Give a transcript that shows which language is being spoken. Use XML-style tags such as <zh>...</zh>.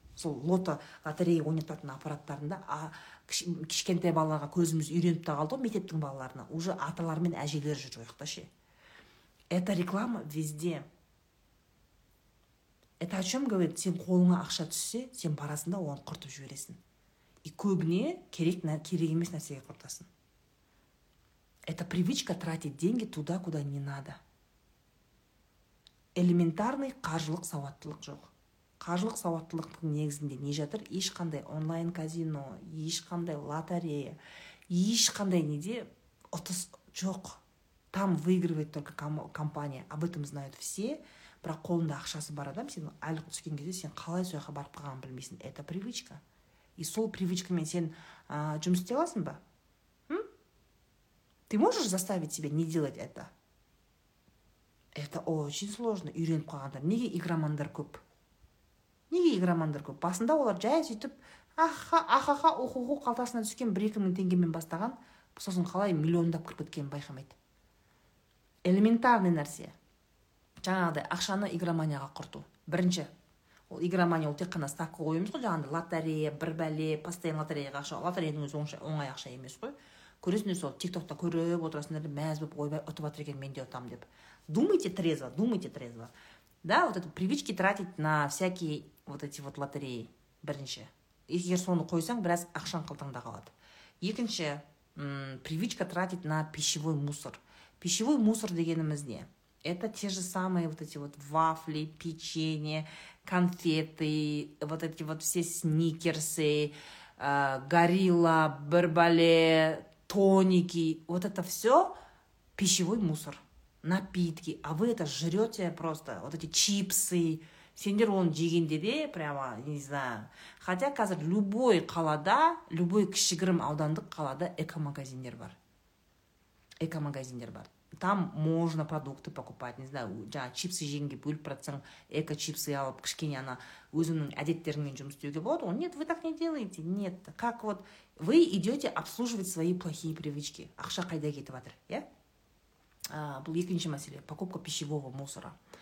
<kk>Сол лото лотерея ойнататын аппараттарында, кішкентай балаларға көзіміз үйреніп та қалды, мектептің балаларына,</kk> <ru>уже</ru> <kk>аталар мен әжелер жүр ойықта ше.</kk> <ru>Это реклама везде. Это о чем говорит?</ru> <kk>Сен қолыңа ақша түссе, сен барасында оны құртып жібересің. И көбіне керек емес нәрсеге құртасың.</kk> <ru>Это привычка тратить деньги туда, куда не надо.</ru> <kk>Элементарный қаржылық сауаттылық жоқ. Қаржылық сауаттылықтың негізінде не жатыр? Ешқандай онлайн казино, ешқандай лотерея, ешқандай неде ұтыс жоқ.</kk> <ru>Там выигрывает только компания. Об этом знают все.</ru> <kk>Бірақ қолында ақшасы бар адам, сен әлі түскен кезде сен қалай сояққа барып қалғанын білмейсің.</kk> <ru>Это привычка.</ru> <kk>И сол привычкамен сен жұмыс істей аласың ба?</kk> <ru>Ты можешь заставить себя не делать это? Это очень сложно.</ru> <kk>Үйреніп қалғандар. Неге игромандар көп? Неге игромандар көп? Басында олар жай сөйтіп, аха-аха, оқу-оқу қалтасына түскен 1-2 мың теңгемен бастаған, сосын қалай миллиондап кіріп кеткенін байқамайды. Элементарный нәрсе. Жаңағыдай ақшаны игроманияға құрту. Бірінші. Ол игромания ол тек қана ставка қоямыз ғой, жаңағыдай лотерея, бір бәле, постоянно лотереяға ақша, лотереяның өзі оңай ақша емес қой. Көресіңдер сол тиктокта көріп отырасыңдар, мәз болып ойбай ұтып жатыр екен, мен де ұтам деп.</kk> <ru>Думайте трезво. Да, вот это привычки тратить на всякие вот эти вот лотереи.</ru> <kk>Бірінші. Егер соны қойсаң, біраз ақшаң қалтаңда қалады. Екінші,</kk> <ru>привычка тратить на пищевой мусор.</ru> <kk>Пищевой мусор дегеніміз не?</kk> <ru>Это те же самые вот эти вот вафли, печенье, конфеты, вот эти вот все сникерсы, горилла, бербале, тоники. Вот это все пищевой мусор, напитки. А вы это жрете просто, вот эти чипсы.</ru> <kk>Сендер оны жегенде де,</kk> <ru>прямо, не знаю. Хотя,</ru> <kk>қазір, любой қалада, любой кішігірім аудандық қалада эко-магазиндер бар. Эко-магазиндер бар.</kk> <ru>Там можно продукты покупать, не знаю,</ru> <kk>жаңа чипсы жегенге бөліп жатсаң, эко-чипсы алып, кішкене ана өзіңнің әдеттеріңмен жұмыс істеуге болады.</kk> <ru>О, нет, вы так не делаете. Нет. Как вот вы идете обслуживать свои плохие привычки.</ru> <kk>Ақша қайда кетіп жатыр, иә? Бұл екінші мәселе</kk> <ru>покупка пищевого мусора.</ru>